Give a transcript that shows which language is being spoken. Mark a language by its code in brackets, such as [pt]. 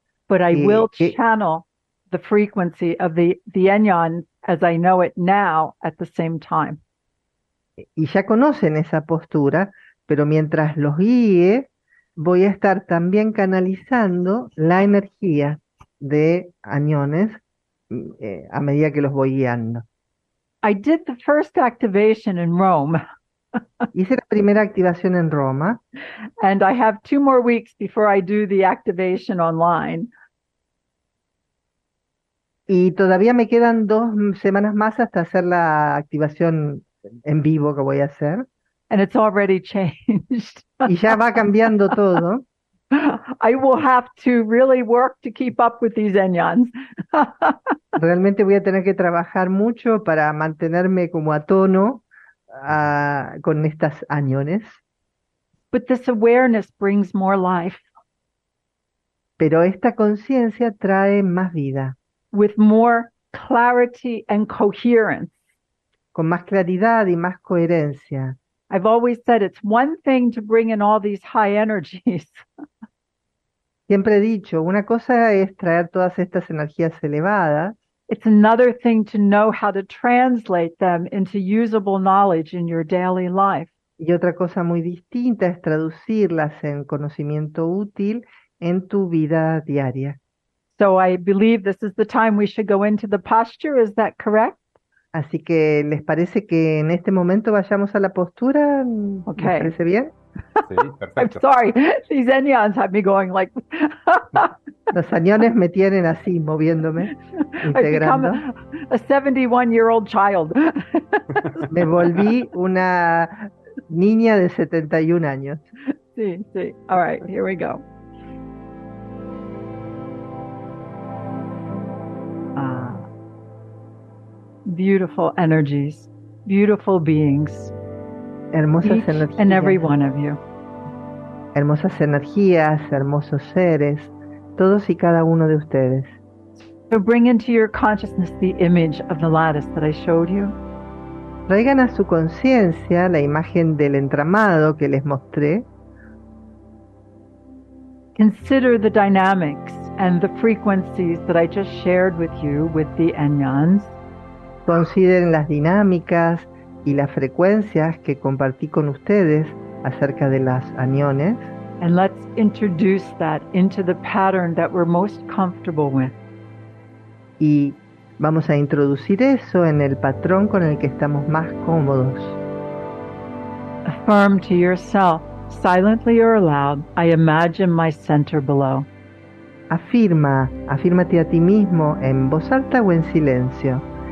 [en] But I will channel the frequency of the Enyan as I know it now at the same time. [es] Y ya conocen esa postura. Pero mientras los guíe, voy a estar también canalizando la energía de añones a medida que los voy guiando. [en] I did the first activation in Rome. [es] Hice la primera activación en Roma. [en] And I have 2 more weeks before I do the activation online. [es] Y todavía me quedan 2 semanas más hasta hacer la activación en vivo que voy a hacer. [en] And it's already changed. [es] Y ya va cambiando todo. [en] I will have to really work to keep up with these enyans. [es] Realmente voy a tener que trabajar mucho para mantenerme como a tono con estas añones. [en] But this awareness brings more life. [es] Pero esta conciencia trae más vida. [en] With more clarity and coherence. [es] Con más claridad y más coherencia. [en] I've always said it's one thing to bring in all these high energies. [es] Siempre he dicho, una cosa es traer todas estas energías elevadas. [en] It's another thing to know how to translate them into usable knowledge in your daily life. [es] Y otra cosa muy distinta es traducirlas en conocimiento útil en tu vida diaria. [en] So I believe this is the time we should go into the posture, is that correct? [es] Así que, ¿les parece que en este momento vayamos a la postura? [en] Okay. [es] ¿Les parece bien? Sí, perfecto. [en] I'm sorry, these anions have me going like... [es] Los anions me tienen así, moviéndome, integrando. [en] I've become a 71-year-old child. [es] Me volví una niña de 71 años. Sí, sí. [en] All right, here we go. Beautiful energies, beautiful beings. [es] Hermosas [en] each [es] energías. [en] And every one of you. [es] Hermosas energías, hermosos seres, todos y cada uno de ustedes. [en] So bring into your consciousness the image of the lattice that I showed you. [es] Traigan a su conciencia la imagen del entramado que les mostré. [en] Consider the dynamics and the frequencies that I just shared with you with the anyans. [es] Consideren las dinámicas y las frecuencias que compartí con ustedes acerca de las aniones. [en] And let's introduce that into the pattern that we're most comfortable with. [es] Y vamos a introducir eso en el patrón con el que estamos más cómodos. [en] Affirm to yourself, silently or aloud, I imagine my center below. [es] Afírmate a ti mismo en voz alta o en silencio.